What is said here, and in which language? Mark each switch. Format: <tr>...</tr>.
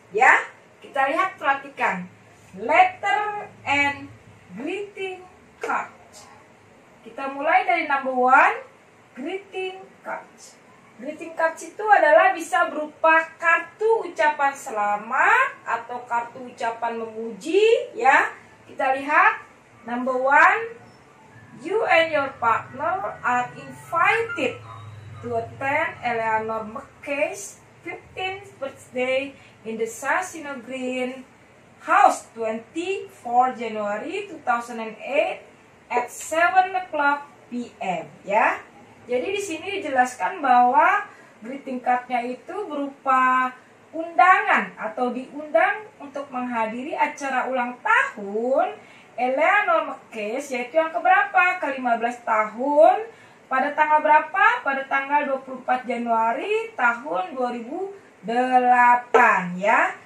<id>Ya, kita lihat perhatikan.</id> <en>Letter and greeting card.</en> <id>Kita mulai dari number one, greeting card. Greeting card itu adalah bisa berupa kartu ucapan selamat atau kartu ucapan memuji, ya. Kita lihat</id> <en>number one, you and your partner are invited to attend Eleanor McKay's 15th birthday in the Sassino Green House, 24 January 2008 at 7 o'clock p.m.</en> <id>ya. Jadi di sini dijelaskan bahwa greeting card-nya itu berupa undangan atau diundang untuk menghadiri acara ulang tahun Eleanor McKay, yaitu yang keberapa? Ke-15 tahun. Pada tanggal berapa? Pada tanggal 24 Januari tahun 2008 ya.</id>